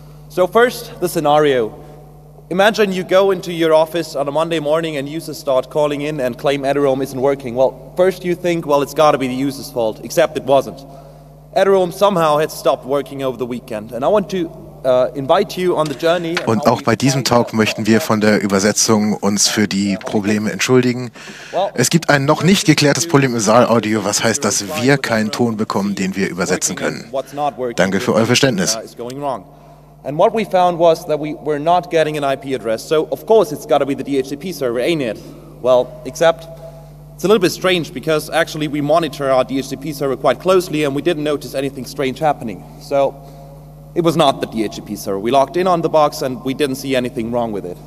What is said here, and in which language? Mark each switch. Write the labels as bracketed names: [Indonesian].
[English] So first, the scenario. Imagine you go into your office on a Monday morning and users start calling in and claim Edurome isn't working. Well, first you think, well, it's got to be the user's fault, except it wasn't. Edurome somehow had stopped working over the weekend, and I want to invite you on the journey. [German] Und auch bei diesem Talk möchten wir von der Übersetzung uns für die Probleme entschuldigen. Es gibt ein noch nicht geklärtes Problem im Saalaudio, was heißt, dass wir keinen Ton bekommen, den wir übersetzen können. Danke für euer Verständnis. [English] And what we found was that we were not getting an IP address. So, of course, it's got to be the DHCP server, ain't it? Well, except it's a little bit strange because actually we monitor our DHCP server quite closely and we didn't notice anything strange happening. So, it was not the DHCP server. We logged in on the box and we didn't see anything wrong with it.